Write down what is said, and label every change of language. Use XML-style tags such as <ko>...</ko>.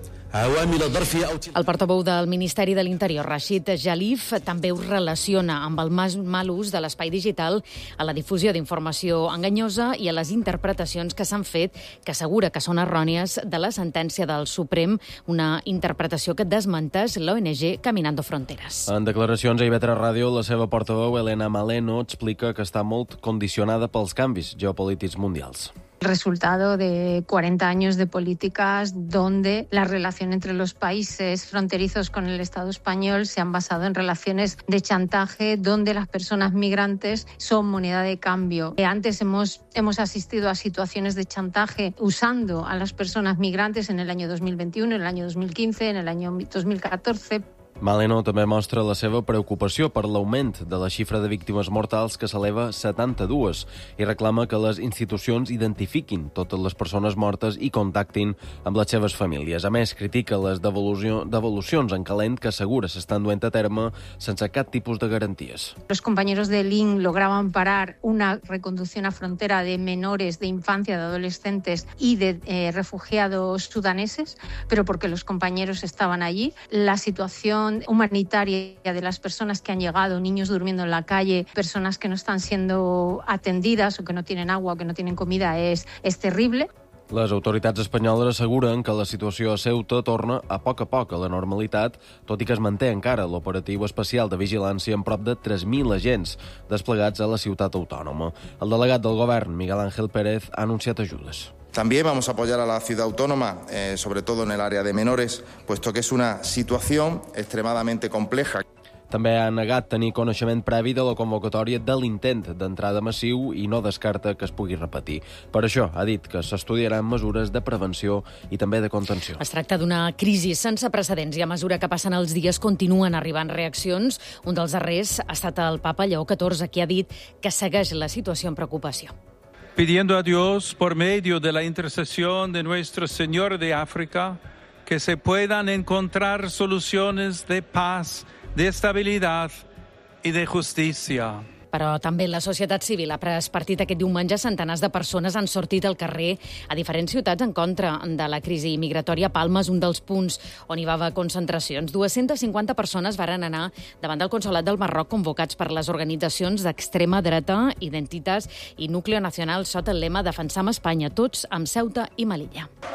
<ca>El portaveu del Ministeri de l'Interior, Rashid Jalif, també ho relaciona amb el mal ús de l'espai digital a la difusió d'informació enganyosa i a les interpretacions que s'han fet, que assegura que són errònies, de la sentència del Suprem, una interpretació que desmenteix l'ONG Caminando Fronteras. En declaracions a Ivetra Ràdio, la seva portaveu, Elena Maleno, explica que està molt condicionada pels canvis geopolítics mundials.</ca> <es>El resultado de 40 años de políticas donde la relación entre los países fronterizos con el Estado español se han basado en relaciones de chantaje donde las personas migrantes son moneda de cambio. Antes hemos asistido a situaciones de chantaje usando a las personas migrantes en el año 2021, en el año 2015, en el año 2014...</es> <ca>Maleno també mostra la seva preocupació per l'augment de la xifra de víctimes mortals, que s'eleva a 72, i reclama que les institucions identifiquin totes les persones mortes i contactin amb les seves famílies. A més, critica les devolucions en calent que assegura s'estan duent a terme sense cap tipus de garanties.</ca> <es>Los compañeros de LINK lograban parar una reconducción a frontera de menores, de infancia, de adolescentes y de refugiados sudaneses, pero porque los compañeros estaban allí. La situación humanitaria de las personas que han llegado, niños durmiendo en la calle, personas que no están siendo atendidas o que no tienen agua o que no tienen comida, es terrible.</es> <ca>Les autoritats espanyoles asseguren que la situació a Ceuta torna a poc a la normalitat, tot i que es manté encara l'operatiu especial de vigilància amb prop de 3.000 agents desplegats a la ciutat autònoma. El delegat del govern, Miguel Ángel Pérez, ha anunciat ajudes.</ca> <es>También vamos a apoyar a la ciudad autónoma, sobre todo en el área de menores, puesto que es una situación extremadamente compleja.</es> <ca>També ha negat tenir coneixement previ de la convocatòria de l'intent d'entrada massiu i no descarta que es pugui repetir. Per això ha dit que s'estudiaran mesures de prevenció i també de contenció. Es tracta d'una crisi sense precedents i a mesura que passen els dies continuen arribant reaccions. Un dels darrers ha estat el Papa Lleó XIV, qui ha dit que segueix la situació en preocupació.</ca> <es>Pidiendo a Dios, por medio de la intercesión de nuestro Señor de África, que se puedan encontrar soluciones de paz, de estabilidad y de justicia.</es> <ca>Però també la societat civil ha pres partit aquest diumenge. Centenars de persones han sortit al carrer a diferents ciutats en contra de la crisi migratòria. Palma és un dels punts on hi va haver concentracions. 250 persones varen anar davant del Consolat del Marroc, convocats per les organitzacions d'extrema dreta, Identitas i Núcleo Nacional, sota el lema Defensam Espanya, tots amb Ceuta i Melilla.</ca>